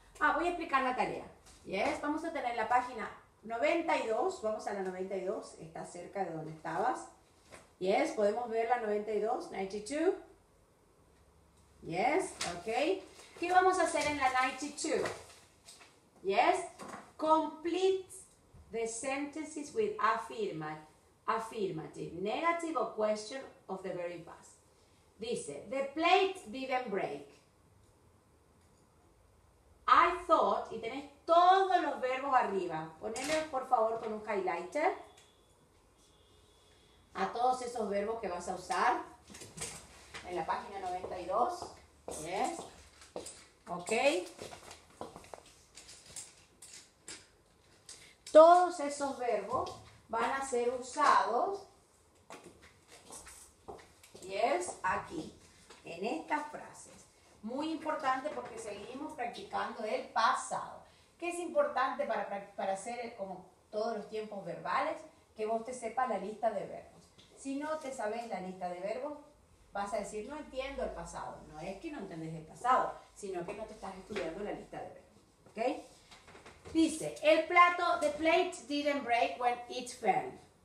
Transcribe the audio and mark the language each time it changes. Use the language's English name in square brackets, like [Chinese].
[Spanish] Ah, voy a explicar la tarea. Yes, vamos a tener la página 92, vamos a la 92, está cerca de donde estabas. Yes, podemos ver la 92, 92. Yes, ok. ¿Qué vamos a hacer en la 92? [English] Yes, complete the sentences with affirmative, negative or question of the very past. [Spanish] Dice, [English] the plate didn't break. I thought, [Spanish] y tenés todos los verbos arriba. Ponele, por favor, con un highlighter a todos esos verbos que vas a usar en la página 92. Yes. Ok. Todos esos verbos van a ser usados, yes, aquí, en estas frases. Muy importante porque seguimos practicando el pasado. ¿Qué es importante para hacer como todos los tiempos verbales? Que vos te sepas la lista de verbos. Si no te sabes la lista de verbos, vas a decir, no entiendo el pasado. No es que no entendés el pasado, sino que no te estás estudiando la lista de verbos. ¿Ok? Dice, el plato, [English] the plate didn't break when it fell.